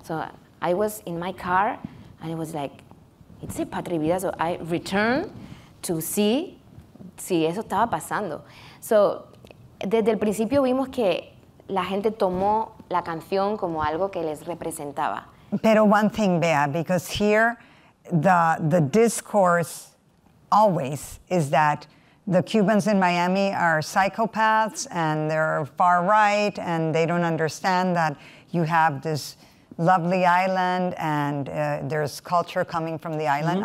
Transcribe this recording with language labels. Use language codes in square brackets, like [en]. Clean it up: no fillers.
[en] So I was in my car and it was like, it's a Patria y Vida. So I returned to see [es] si eso estaba pasando. [en] So [es] desde el principio vimos que la gente tomó la canción como algo que les representaba. Pero [en] one thing, Bea, because here the discourse always is that the Cubans in Miami are psychopaths and they're far right and they don't understand that you have this lovely island, and there's culture coming from the island. Mm-hmm.